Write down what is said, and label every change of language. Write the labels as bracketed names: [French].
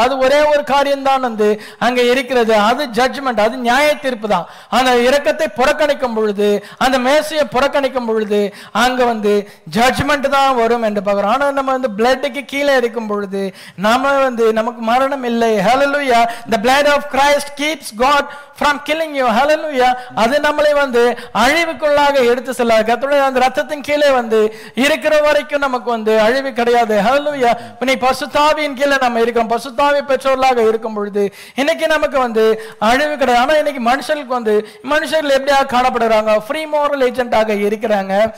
[Tamil] அது ஒரே ஒரு காரியம் தான் வந்து அங்க இருக்கிறது, அது ஜட்ஜ்மெண்ட், அது நியாய தீர்ப்பு தான். அந்த இரக்கத்தை புறக்கணிக்கும் பொழுது, அந்த மேசையை புறக்கணிக்கும் பொழுது அங்க வந்து ஜட்ஜ்மெண்ட் தான் வரும் என்று பார்க்கிறோம். ஆனால் நம்ம வந்து பிளட்டுக்கு கீழே இருக்கும் பொழுது நம்ம வந்து நமக்கு மரணம் இல்லை. ஹல்லேலூயா. [English] The blood of Christ keeps God from killing you. [Tamil] ஹல்லேலூயா. அது நம்மளை வந்து அழிவுக்குள்ளாக எடுத்து செல்லாது. கர்த்தருடைய அந்த இரத்தத்தின் கீழே வந்து இருக்கிற வரைக்கும் நமக்கு வந்து அழிவு கிடையாது. ஹல்லேலூயா. நீ பரிசுத்தாவியின் கீழே நம்ம இருக்கோம், பரிசுத்தாவி பெற்றவர்களாக இருக்கும் பொழுது இன்னைக்கு நமக்கு வந்து அழிவு கிடையாது. ஆனால் இன்னைக்கு மனுஷர்கள் எப்படியாக காணப்படுறாங்க, [English] free moral ஏஜென்டாக [Tamil] இருக்கிறாங்க.